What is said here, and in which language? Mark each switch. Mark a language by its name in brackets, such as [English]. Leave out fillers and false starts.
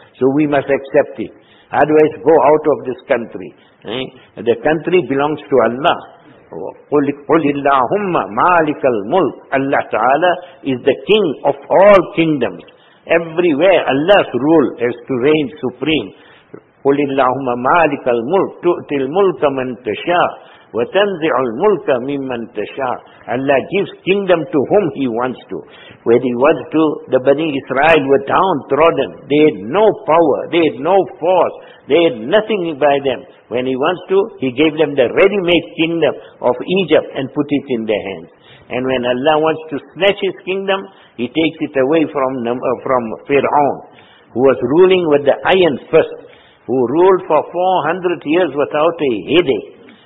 [English] So we must accept it. Otherwise, go out of this country. The country belongs to Allah. [Arabic] قُلْ إِلَّهُمَّ مَالِكَ الْمُلْكِ [English] Allah Ta'ala is the king of all kingdoms. Everywhere, Allah's rule has to reign supreme. [Arabic] قُلْ إِلَّهُمَّ مَالِكَ الْمُلْكِ تُؤْتِ الْمُلْكَ مَنْ تَشَاءُ وَتَنْزِعُ الْمُلْكَ مِمَّنْ تَشَاءُ [English] Allah gives kingdom to whom He wants to. When He was to, the Bani Israel were downtrodden. They had no power. They had no force. They had nothing by them. When He wants to, He gave them the ready-made kingdom of Egypt and put it in their hands. And when Allah wants to snatch His kingdom, He takes it away from Fir'aun, who was ruling with the iron fist, who ruled for 400 years without a headache.